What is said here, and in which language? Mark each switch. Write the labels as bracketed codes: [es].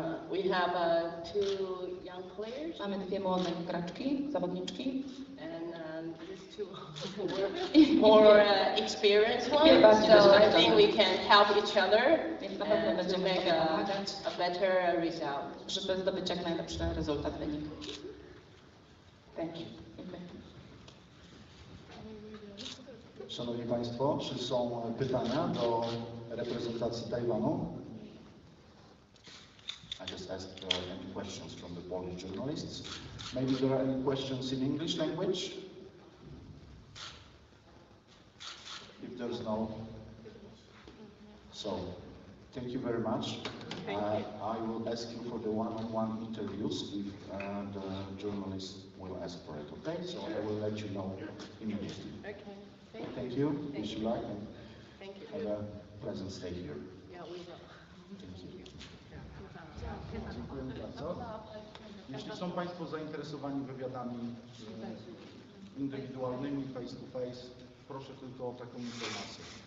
[en] We have two young players. [pl] Mamy dwie młode graczki, zawodniczki. [en] And these two were more experienced ones. Yeah, so I think we can help each other and to make a better result. [pl] Żeby zdobyć jak najlepszy rezultat, wynik. [en] Thank you. [pl] Szanowni Państwo, czy są pytania do reprezentacji Tajwanu? [en] I just asked any questions from the Polish journalists. Maybe there are any questions in English language? If there's no. So, thank you very much. Thank you. I will ask you for the one-on-one interviews if the journalists will ask for it, okay? So sure. I will let you know immediately. Okay. Thank you. Wish you luck and have a pleasant stay here. Yeah, we will. Thank you. [pl] Dziękuję bardzo. Jeśli są Państwo zainteresowani wywiadami indywidualnymi, [en] face to face, [pl] proszę tylko o taką informację.